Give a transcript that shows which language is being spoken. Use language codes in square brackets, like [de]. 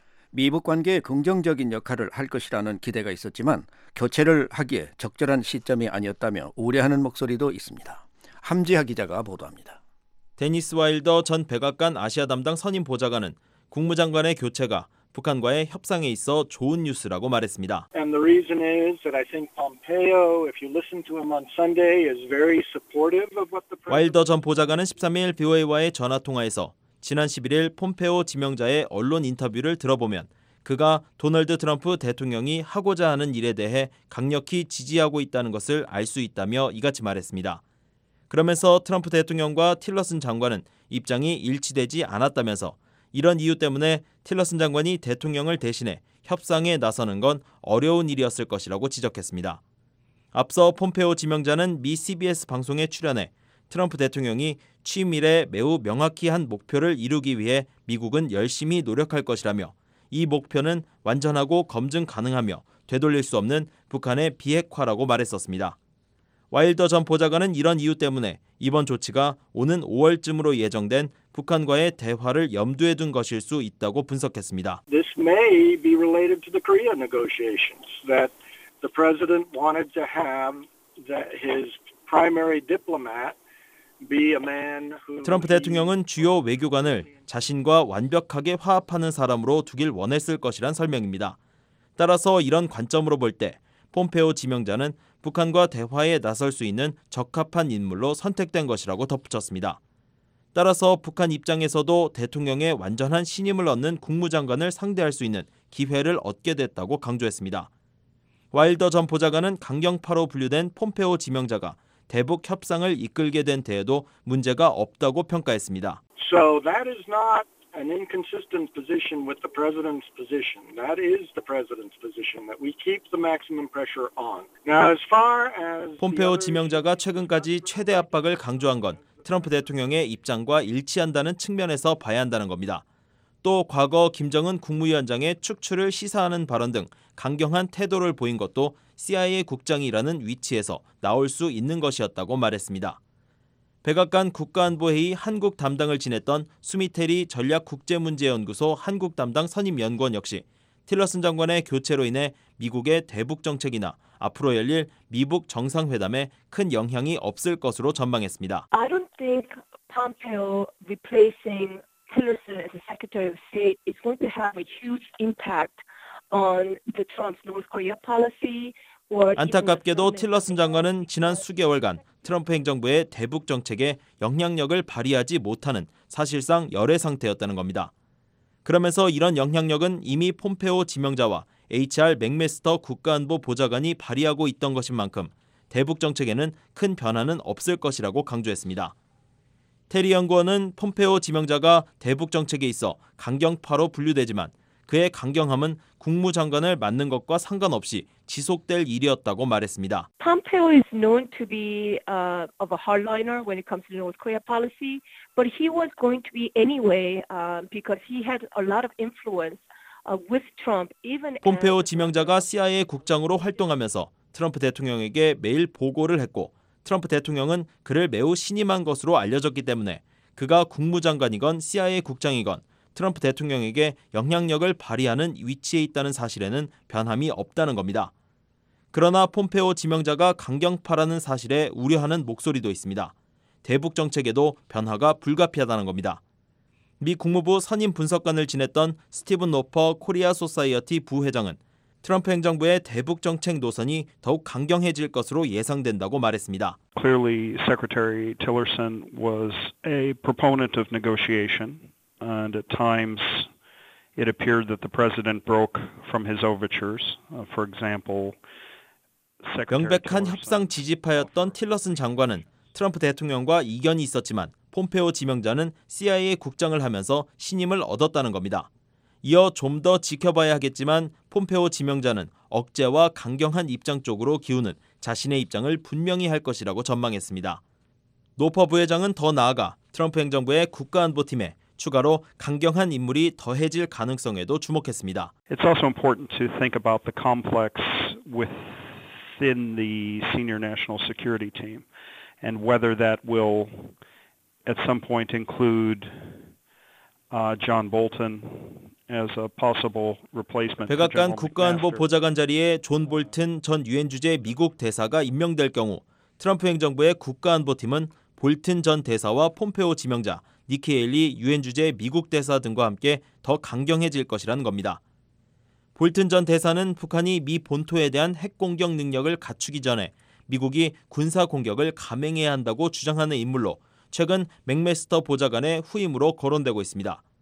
[ko] 미북 관계에 긍정적인 역할을 할 것이라는 기대가 있었지만 교체를 하기에 적절한 시점이 아니었다며 우려하는 목소리도 있습니다. 함지하 기자가 보도합니다. 데니스 와일더 전 백악관 아시아 담당 선임 보좌관은 국무장관의 교체가 북한과의 협상에 있어 좋은 뉴스라고 말했습니다. [en] And the reason is that I think Pompeo, if you listen to him on Sunday, is very supportive of what the president. [ko] 와일더 전 보좌관은 13일 VOA와의 전화 통화에서 지난 11일 폼페오 지명자의 언론 인터뷰를 들어보면 그가 도널드 트럼프 대통령이 하고자 하는 일에 대해 강력히 지지하고 있다는 것을 알 수 있다며 이같이 말했습니다. 그러면서 트럼프 대통령과 틸러슨 장관은 입장이 일치되지 않았다면서 이런 이유 때문에 틸러슨 장관이 대통령을 대신해 협상에 나서는 건 어려운 일이었을 것이라고 지적했습니다. 앞서 폼페오 지명자는 미 CBS 방송에 출연해 트럼프 대통령이 취임 이래 매우 명확히 한 목표를 이루기 위해 미국은 열심히 노력할 것이라며 이 목표는 완전하고 검증 가능하며 되돌릴 수 없는 북한의 비핵화라고 말했었습니다. 와일더 전 보좌관은 이런 이유 때문에 이번 조치가 오는 5월쯤으로 예정된 북한과의 대화를 염두에 둔 것일 수 있다고 분석했습니다. [en] This may be related to the Korea negotiations that the president wanted to have that his primary diplomat be a man who. [ko] 트럼프 대통령은 주요 외교관을 자신과 완벽하게 화합하는 사람으로 두길 원했을 것이란 설명입니다. 따라서 이런 관점으로 볼 때 폼페오 지명자는 북한과 대화에 나설 수 있는 적합한 인물로 선택된 것이라고 덧붙였습니다. 따라서 북한 입장에서도 대통령의 완전한 신임을 얻는 국무장관을 상대할 수 있는 기회를 얻게 됐다고 강조했습니다. 와일더 전 보좌관은 강경파로 분류된 폼페오 지명자가 대북 협상을 이끌게 된 데에도 문제가 없다고 평가했습니다. [en] So that is not an inconsistent position with the president's position. That is the president's position that we keep the maximum pressure on. Now, as far as [ko] 폼페오 지명자가 최근까지 최대 압박을 강조한 건 트럼프 대통령의 입장과 일치한다는 측면에서 봐야 한다는 겁니다. 또 과거 김정은 국무위원장의 축출을 시사하는 발언 등 강경한 태도를 보인 것도 CIA 국장이라는 위치에서 나올 수 있는 것이었다고 말했습니다. 백악관 국가안보회의 한국 담당을 지냈던 수미테리 전략국제문제연구소 한국 담당 선임연구원 역시 틸러슨 장관의 교체로 인해 미국의 대북 정책이나 앞으로 열릴 미북 정상회담에 큰 영향이 없을 것으로 전망했습니다. [en] I don't think Pompeo replacing Tillerson as the Secretary of State is going to have a huge impact on the Trump's North Korea policy. [ko] 안타깝게도 틸러슨 장관은 지난 수개월간 트럼프 행정부의 대북 정책에 영향력을 발휘하지 못하는 사실상 열의 상태였다는 겁니다. 그러면서 이런 영향력은 이미 폼페오 지명자와 HR 맥메스터 국가안보 보좌관이 발의하고 있던 것인 만큼 대북 정책에는 큰 변화는 없을 것이라고 강조했습니다. 테리 연구원은 폼페오 지명자가 대북 정책에 있어 강경파로 분류되지만 그의 강경함은 국무장관을 맡는 것과 상관없이 지속될 일이었다고 말했습니다. [en] Pompeo is known to be of a hardliner when it comes to North Korea policy, but he was going to be anyway because he had a lot of influence with Trump. Even [ko] 폼페오 지명자가 CIA 국장으로 활동하면서 트럼프 대통령에게 매일 보고를 했고 트럼프 대통령은 그를 매우 신임한 것으로 알려졌기 때문에 그가 국무장관이건 CIA 국장이건 트럼프 대통령에게 영향력을 발휘하는 위치에 있다는 사실에는 변함이 없다는 겁니다. 그러나 폼페오 지명자가 강경파라는 사실에 우려하는 목소리도 있습니다. 대북 정책에도 변화가 불가피하다는 겁니다. 미 국무부 선임 분석관을 지냈던 스티븐 노퍼 코리아 소사이어티 부회장은 트럼프 행정부의 대북 정책 노선이 더욱 강경해질 것으로 예상된다고 말했습니다. [en] Clearly, Secretary Tillerson was a proponent of negotiation. And at times, it appeared that the president broke from his overtures. For example, [ko] 명백한 협상 지지파였던 틸러슨 장관은 트럼프 대통령과 이견이 있었지만 폼페오 지명자는 CIA 국장을 하면서 신임을 얻었다는 겁니다. 이어 좀 더 지켜봐야 하겠지만 폼페오 지명자는 억제와 강경한 입장 쪽으로 기우는 자신의 입장을 분명히 할 것이라고 전망했습니다. 노퍼 부회장은 더 나아가 트럼프 행정부의 국가안보팀에 추가로 강경한 인물이 더해질 가능성에도 주목했습니다. [en] It's also important to think about the complex within the senior national security team and whether that will at some point include John Bolton as a possible replacement. [ko] 백악관 국가안보 보좌관 자리에 존 볼튼 전 유엔 주재 미국 대사가 임명될 경우 트럼프 행정부의 국가안보팀은 볼튼 전 대사와 폼페오 지명자 니키 헤일리 유엔 주재 미국 대사 등과 함께 더 강경해질 것이라는 겁니다. 볼튼 전 대사는 북한이 미 본토에 대한 핵 공격 능력을 갖추기 전에 미국이 군사 공격을 감행해야 한다고 주장하는 인물로 최근 맥메스터 보좌관의 후임으로 거론되고 있습니다.